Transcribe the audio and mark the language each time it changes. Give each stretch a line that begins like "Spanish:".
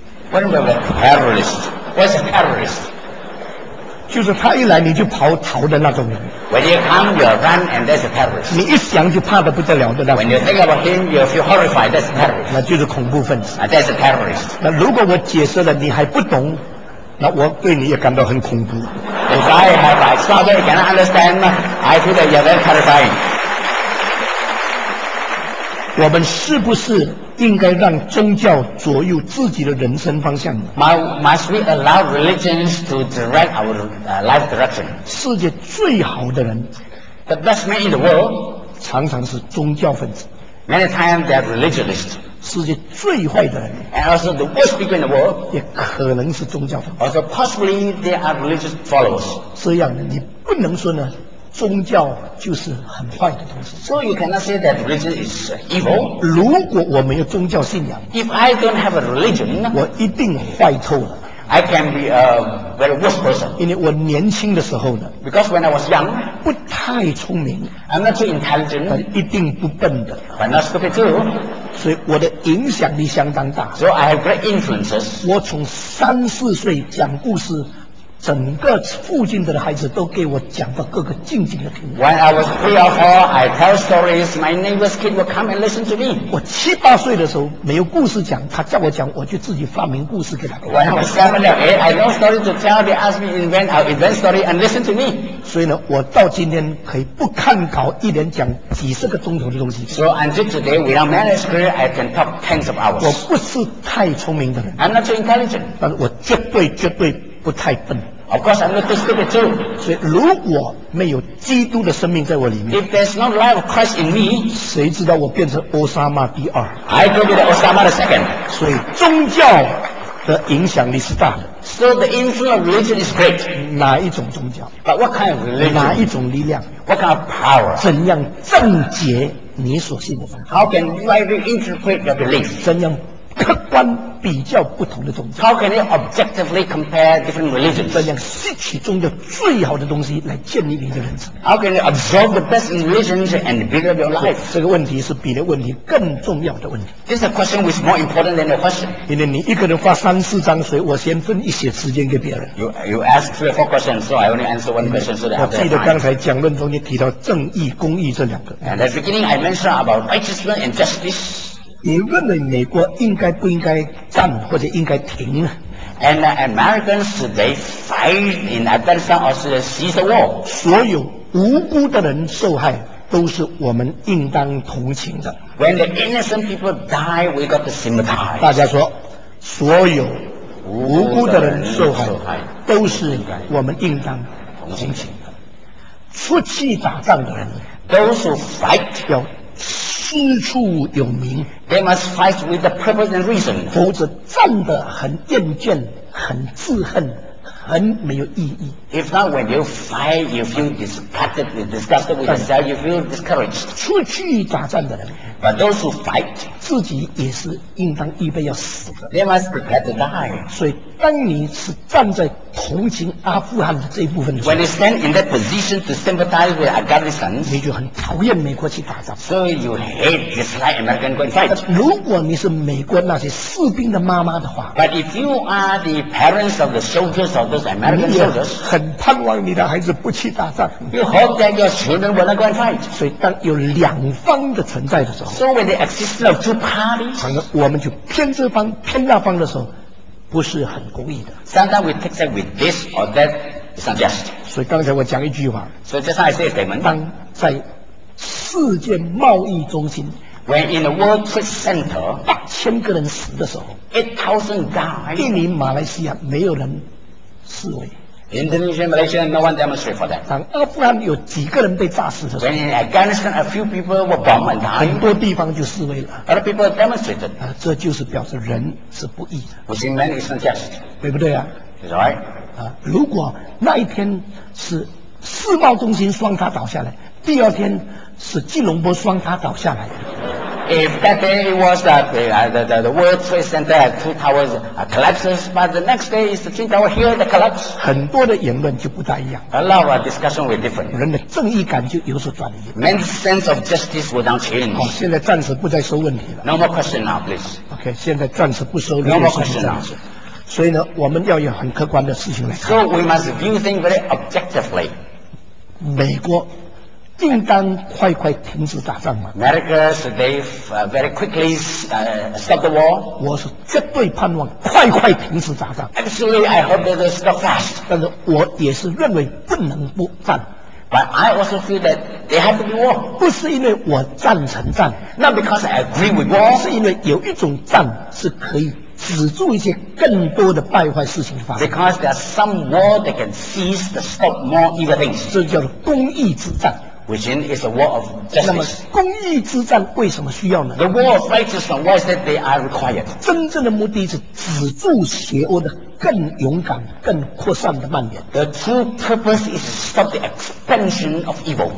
Chinese: 不是，不是 terrorist， 我是 terrorist，就是他一来你就跑逃的那种人。
English: When you come, you run, and that's a terrorist。
Chinese: 你一想就怕得不得了的那种。
English: When you think about him, you feel horrified. That's a terrorist。
Chinese: 那就是恐怖分子。
English: That's a terrorist。
Chinese: 那如果我解释了你还不懂，那我对你也感到很恐怖。
English: If I have trouble can understand, I feel that you're very terrifying。
Chinese: 我们是不是应该让宗教左右自己的人生方向呢？
English: Must we allow religions to direct our life direction?
Chinese: 世界最好的人
English: The best man in the world
Chinese: 常常是宗教分子
English: Many times they are religionist
Chinese: 世界最坏的人
English: And also the worst people in the world
Chinese: 也可能是宗教分子
English: Also possibly they are religious followers
Chinese: 这样你不能说呢宗教就是很坏的东西。
English: So you cannot say that religion is evil.
Chinese: 如果我没有宗教信仰
English: ，If I don't have a religion，
Chinese: 我一定坏透了。
English: I can be a very worse person.
Chinese: 因为我年轻的时候呢
English: ，Because when I was young，
Chinese: 不太聪明
English: ，I'm not too intelligent，
Chinese: 但一定不笨的
English: ，But not stupid too。
Chinese: 所以我的影响力相当大。
English: So I have great influences。
Chinese: 我从三四岁讲故事。整个附近的孩子都给我讲到各个静静的听。
English: When I was three or four, I tell stories. My neighbor's kid would come and listen to me.
Chinese: 我七八岁的时候没有故事讲，他叫我讲，我就自己发明故事给他。
English: When I was seven or eight, I no story to tell. They ask me invent, I'll invent story and listen to me.
Chinese: 所以呢，我到今天可以不看稿，一连讲几十个钟头的东西。
English: So until today, without manuscript, I can talk tens of hours.
Chinese: 我不是太聪明的人。
English: I'm not too intelligent.
Chinese: 但是我绝对绝对不太笨。
English: Of course, I'm not too stupid too.
Chinese: 所以如果没有基督的生命在我里面
English: ，If there's no life of Christ in me，
Chinese: 谁知道我变成奥沙马第二
English: ？I could be the Osama the second.
Chinese: 所以宗教的影响力是大的。
English: So the influence of religion is great.
Chinese: 哪一种宗教
English: ？But what kind of religion？
Chinese: 哪一种力量
English: ？What kind of power？
Chinese: 怎样正解你所信的
English: ？How can you interpret your belief？
Chinese: 怎样客观？比较不同的宗教
English: How can you objectively compare different religions?
Chinese: 怎样吸取中的最好的东西来建立你的人生
English: How can you absorb the best in religions and build up your life?
Chinese: 这个问题是比的问题更重要的问题
English: This is a question which is more important than the question
Chinese: 因为你一个人发三四张水我先分一些时间给别人
English: You ask three or four questions so I only answer one question so that I have time
Chinese: 我记得刚才讲论中间提到正义公义这两个
English: And at the beginning I mentioned about righteousness and justice
Chinese: 你认为美国应该不应该战或者应该停
English: ？And Americans they fight in Afghanistan or should cease the war？
Chinese: 所有无辜的人受害都是我们应当同情的。
English: When the innocent people die, we got to sympathize。
Chinese: 大家说，所有无辜的人受害都是我们应当同情的。出去打仗的人
English: ，those who fight
Chinese: 要。师出有名
English: They must fight with the purpose and reason
Chinese: 否则战得很厌倦很自恨很没有意义
English: If not when you fight you feel disgusted with yourself you feel discouraged
Chinese: 出去打仗的人
English: But those who fight
Chinese: 自己也是应当预备要死的
English: They must prepare to die
Chinese: 所以当你是站在同情阿富汗的这一部分的时候
English: When you stand in that position to sympathize with Afghanistan
Chinese: 你就很讨厌美国去打仗
English: So you hate dislike American going fight
Chinese: 如果你是美国那些士兵的妈妈的话
English: But if you are the parents of the soldiers of those American soldiers
Chinese: 你也很盼望你的孩子不去打仗
English: You hope that your children will not go and fight
Chinese: 所以当有两方的存在的时候
English: So when the existence of two parties
Chinese: 反而我们就偏这方偏那方的时候不是很故意的。
English: Sometimes we take that with this or that is unjust.
Chinese: 所以刚才我讲一句话。
English: So just now I say a statement.
Chinese: 当在世界贸易中心
English: ，When in the World Trade Center，
Chinese: 八千个人死的时候
English: ，8,000 died。
Chinese: 印尼、马来西亚没有人示威。
English: Indonesia, Malaysia, no one demonstrate for that.
Chinese: 当阿富汗有几个人被炸死的时候
English: ，When in Afghanistan a few people were bombed and died，
Chinese: 很多地方就示威了。
English: Other people demonstrated.
Chinese: 啊，这就是表示人是不义的。
English: Which man is not just，
Chinese: 对不对啊
English: ？Is right.
Chinese: 啊，如果那一天是世贸中心双塔倒下来，第二天是基隆坡双塔倒下来。
English: if that day it was the World Trade Center two towers collapses, but the next day is the Twin Tower here the collapse.
Chinese: 很多的言论就不大一样。
English: A lot of discussion were different.
Chinese: 人的正义感就有所转移。
English: Men's sense of justice was now changed.
Chinese: 好，现在暂时不再收问题了。
English: No more question now, please.
Chinese: Okay, 现在暂时不收任何问题了。所以呢，我们要有很客观的事情来看。
English: So we must view things very objectively.
Chinese: 美国。应当快快停止打仗嘛
English: ？America should they very quickly stop the war？
Chinese: 我是绝对盼望快快停止打仗。
English: Actually, I hope they stop fast。
Chinese: 但是我也是认为不能不战。
English: But I also feel that they have to be war。
Chinese: 不是因为我赞成战
English: ，Not because I agree with war。
Chinese: 是因为有一种战是可以止住一些更多的败坏事情发生。
English: Because there are some war that can cease to stop more evil things。
Chinese: 这叫做公义之战。
English: Which is a war of justice.
Chinese: 那么公义之战为什么需要呢
English: ？The war of righteousness, why is that they are required?
Chinese: 真正的目的是止住邪恶的更勇敢、更扩散的蔓延。
English: The true purpose is to stop the expansion of evil.